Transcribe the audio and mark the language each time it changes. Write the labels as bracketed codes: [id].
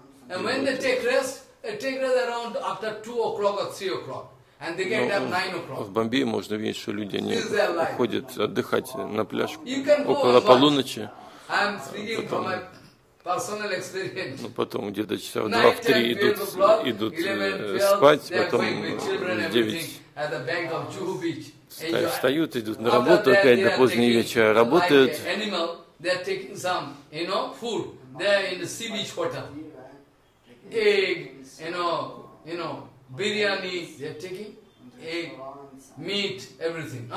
[en] And when they take rest around after 2 o'clock or 3 o'clock, and they get up 9 o'clock. [ru] В Бомбее можно видеть, что люди не уходят отдыхать на пляж около полуночи. [en] I'm speaking from my personal experience. [ru] Ну потом где-то часов 2-3 идут спать, потом 9 встают, идут на работу опять до поздней вечера, работают. [en] Animal, they are taking some, you know, food. They are in the sea beach hotel. Egg, you know, biryani, they are taking egg, meat, everything.